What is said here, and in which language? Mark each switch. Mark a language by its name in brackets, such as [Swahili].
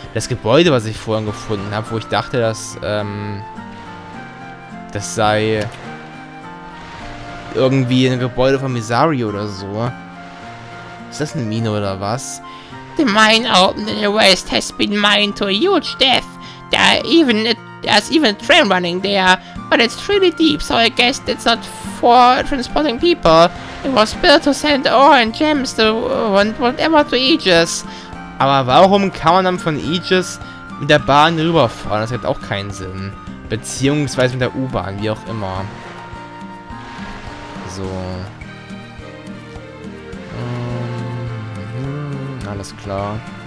[German] Das Gebäude, was ich vorhin gefunden habe, wo ich dachte, dass das sei irgendwie ein Gebäude von Misario oder so. Ist das eine Mine oder was? [English] The mine opened in the west has been mined to a huge depth. There's even a train running there, but it's really deep, so I guess it's not for transporting people. It was built to send ore and gems to whatever to Aegis. [German] Aber warum kann man dann von Aegis mit der Bahn rüberfahren? Das hat auch keinen Sinn. Beziehungsweise mit der U-Bahn, wie auch immer. So. Alles klar.